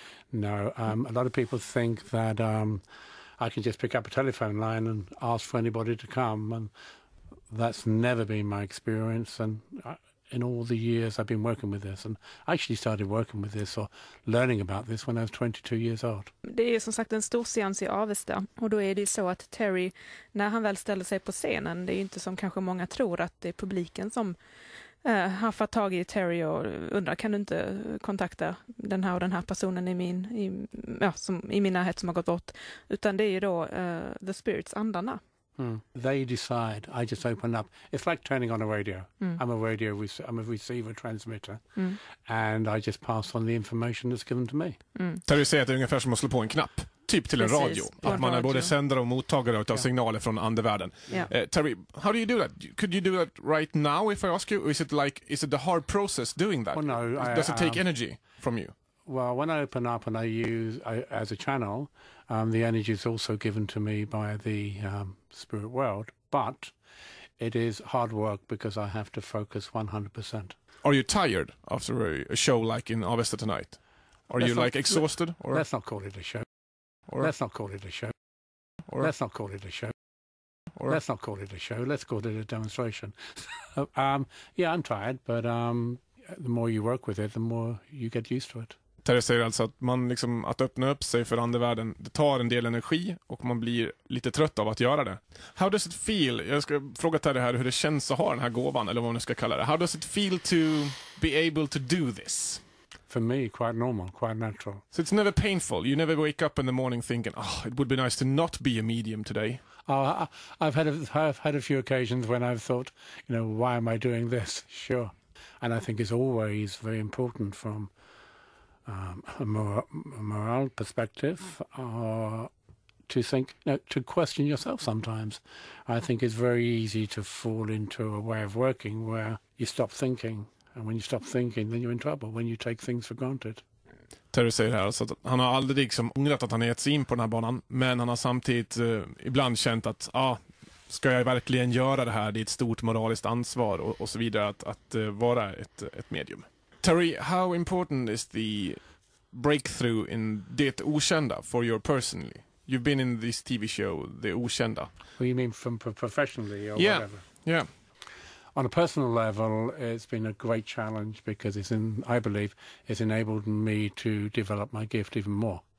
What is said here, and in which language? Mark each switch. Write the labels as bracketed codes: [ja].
[en] No, a lot of people think that I can just pick up a telephone line and ask for anybody to come, and that's never been my experience. And in all the years I've been working with this, and I actually started working with this or learning about this when I was 22 years old. [sv] Det är som sagt en stor seans i Avesta, och då är det så att Terry, när han väl ställer sig på scenen, det är ju inte som kanske många tror att det är publiken som har fått tag i Terry och undrar, kan du inte kontakta den här och den här personen i min närhet som har gått bort, utan det är ju då [en] the spirits, [sv] andarna. [en] They decide. I just open up. It's like turning on a radio. I'm a receiver, transmitter. And I just pass on the information that's given to me. [sv] Terry säger att det är ungefär som att slå på en knapp. Typ till en radio. Att man är både sändare och mottagare av signaler från andevärlden. [en] Terry, how do you do that? Could you do that right now if I ask you? Or is it a hard process doing that? Well, no. Does it take energy from you? Well, when I open up and I use as a channel, the energy is also given to me by the spirit world, but it is hard work because I have to focus 100%. Are you tired after a show like in Avesta tonight? Exhausted? Let's not call it a show. Let's not call it a show. Let's not call it a show. Let's not call it a show. Let's call it a demonstration. yeah, I'm tired, but the more you work with it, the more you get used to it. [sv] Terry säger alltså att man liksom, att öppna upp sig för andevärlden, det tar en del energi och man blir lite trött av att göra det. [en] How does it feel? [sv] Jag ska fråga Terry här hur det känns att ha den här gåvan, eller vad man ska kalla det. [en] How does it feel to be able to do this? For me, quite normal, quite natural. So it's never painful? You never wake up in the morning thinking, oh, it would be nice to not be a medium today? I've had a few occasions when I've thought, you know, why am I doing this? Sure. And I think it's always very important from a morale perspective, to think, you know, to question yourself sometimes. I think it's very easy to fall into a way of working where you stop thinking, and when you stop thinking then you're in trouble, when you take things for granted. [sv] Terry säger här alltså att han har aldrig liksom ångrat att han gett sig in på den här banan, men han har samtidigt ibland känt att ska jag verkligen göra det här, det är ett stort moraliskt ansvar och så vidare att vara ett medium. [en] Terry, how important is the breakthrough in Det Okända for you personally? You've been in this TV show, The Okända. Well, you mean from professionally or whatever? Yeah. On a personal level, it's been a great challenge because it's enabled me to develop my gift even more.